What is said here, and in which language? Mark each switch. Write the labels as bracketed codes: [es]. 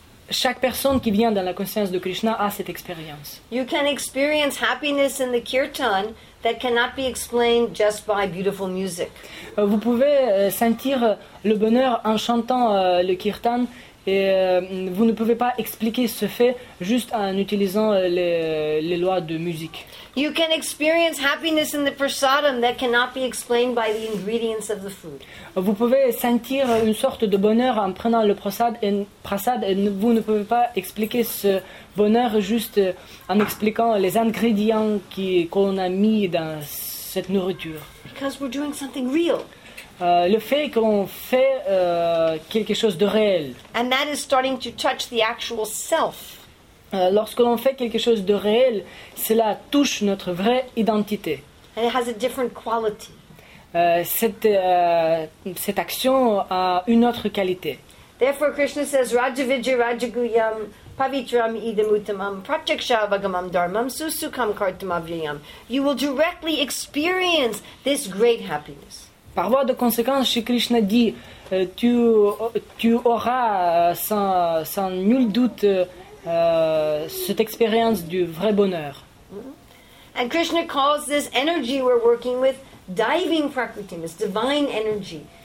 [fr] Chaque personne qui vient dans la conscience de Krishna a cette expérience. [en] You can experience happiness in the kirtan that cannot be explained just by beautiful music. [fr] Vous pouvez sentir le bonheur en chantant le kirtan et vous ne pouvez pas expliquer ce fait juste en utilisant les lois de musique. [en] You can experience happiness in the prasadam that cannot be explained by the ingredients of the food. [fr] Vous pouvez sentir une sorte de bonheur en prenant le prasad et vous ne pouvez pas expliquer ce bonheur juste en expliquant les ingrédients qu'on a mis dans cette nourriture. [en] Because we're doing something real. [fr] Le fait qu'on fait quelque chose de réel. [en] And that is starting to touch the actual self. [fr] Lorsque l'on fait quelque chose de réel, cela touche notre vraie identité. [en] And it has a different quality. [fr] Cette action a une autre qualité. [en] Therefore, Krishna says, [sa] Rajavijaya Rajaguyam Pavitram Idamutamam Pratyaksha Bhagamam Dharmam Susukam Kartamavyam. [en] You will directly experience this great happiness. [fr] Par voie de conséquence, Sri Krishna dit, tu auras sans nul doute cette expérience du vrai bonheur. [en] And Krishna calls this energy we're working with diving prakriti, this divine energy.